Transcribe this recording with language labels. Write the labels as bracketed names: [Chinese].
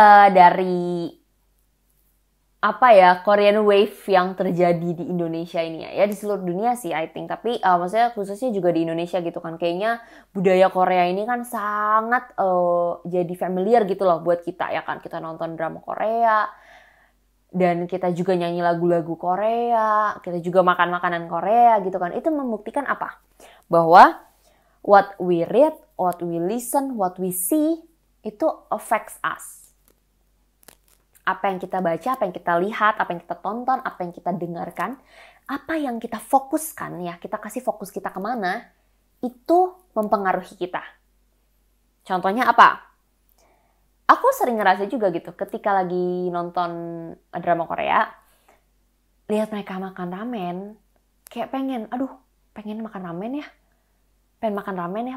[Indonesian] dari apa ya, Korean Wave yang terjadi di Indonesia ini ya, di seluruh dunia sih [English] I think, [Indonesian] tapi maksudnya khususnya juga di Indonesia gitu kan, kayaknya budaya Korea ini kan sangat jadi familiar gitu loh buat kita ya kan, kita nonton drama Korea dan kita juga nyanyi lagu-lagu Korea, kita juga makan makanan Korea gitu kan. Itu membuktikan apa? Bahwa [English] what we read, what we listen, what we see [Indonesian] itu [English] affects us. [Indonesian] Apa yang kita baca, apa yang kita lihat, apa yang kita tonton, apa yang kita dengarkan, apa yang kita fokuskan, ya kita kasih fokus kita kemana, itu mempengaruhi kita. Contohnya apa? Aku sering ngerasa juga gitu, ketika lagi nonton drama Korea, lihat mereka makan ramen, kayak pengen, aduh, pengen makan ramen ya. Pengen makan ramen ya.